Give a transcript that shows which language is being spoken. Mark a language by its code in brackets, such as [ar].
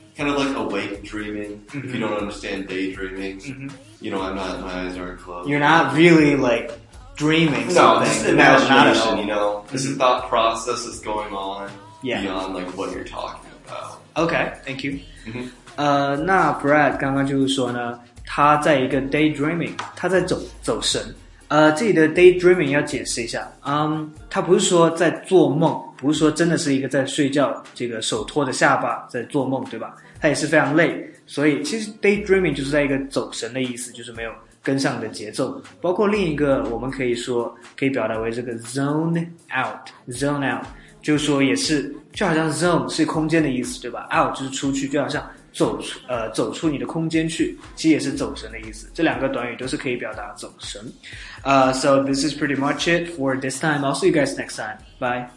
[en] Kind of like awake dreaming. Mm-hmm. If you don't understand daydreaming, mm-hmm. You know, I'm not, my eyes aren't closed. You're not really like dreaming something. No, just imagination, you know? Mm-hmm. This thought process is going on beyond like what you're talking about. Okay, thank you. Mm-hmm. [zh] 那 Brad 刚刚就是说呢他在一个 daydreaming, 他在走神。这里的 daydreaming 要解释一下。他不是说在做梦，不是说真的是一个在睡觉，这个手托着下巴在做梦，对吧？他也是非常累。所以其实 daydreaming 就是在一个走神的意思，就是没有跟上的节奏。包括另一个我们可以说，可以表达为这个 zone out, 就是说也是，就好像 zone 是空间的意思，对吧？ out 就是出去，就好像走出你的空间去，其实也是走神的意思。这两个短语都是可以表达走神。 [en] So this is pretty much it for this time. I'll see you guys next time. Bye.